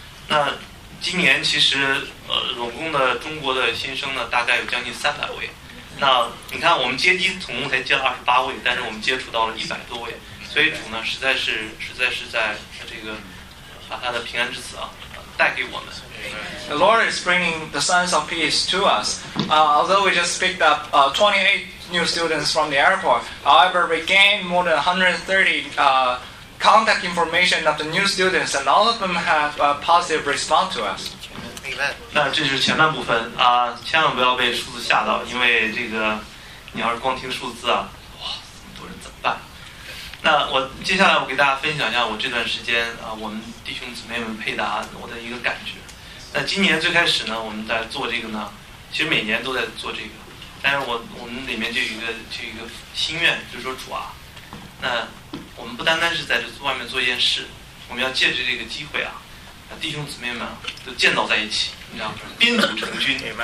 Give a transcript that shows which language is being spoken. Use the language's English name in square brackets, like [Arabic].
[Chinese] 那今年其实总共的中国的新生呢，大概有将近300位。那你看我们接机总共才接了28位，但是我们接触到了100多位，所以主呢实在是在这个把他的平安之子啊。 [English] The Lord is bringing the signs of peace to us. Although we just picked up 28 new students from the airport, however, we gained more than 130 contact information of the new students, and all of them have a positive response to us. [Chinese] 那这是前半部分啊，千万不要被数字吓到，因为这个你要是光听数字啊，哇，这么多人怎么办？那我接下来我给大家分享一下我这段时间啊，我们弟兄姊妹们配搭我的一个感觉。那今年最开始呢，我们在做这个呢，其实每年都在做这个，但是我们里面就有一个心愿，就是说主啊，那我们不单单是在这外面做一件事，我们要借着这个机会啊，弟兄姊妹们都建造在一起，你知道，宾主成军。